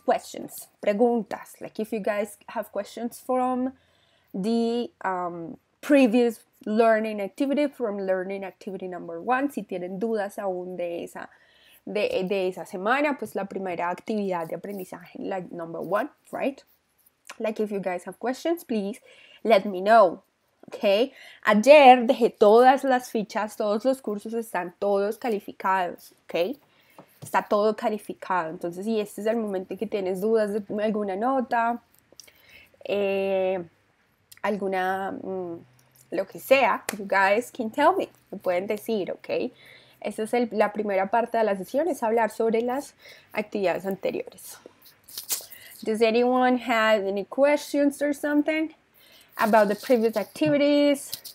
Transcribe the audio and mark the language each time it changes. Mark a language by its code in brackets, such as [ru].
[en] Questions, preguntas. Like if you guys have questions from the previous learning activity, from learning activity number one, [es] si tienen dudas aún de esa semana, pues la primera actividad de aprendizaje, [en] like number one, right? Like if you guys have questions, please let me know, okay? [es] Ayer dejé todas las fichas, todos los cursos están todos calificados, okay? Está todo calificado, entonces si este es el momento que tienes dudas de alguna nota, alguna... lo que sea, [en] you guys can tell me, [es] me pueden decir, ¿ok? Esa es la primera parte de la sesión, es hablar sobre las actividades anteriores. [en] Does anyone have any questions or something about the previous activities?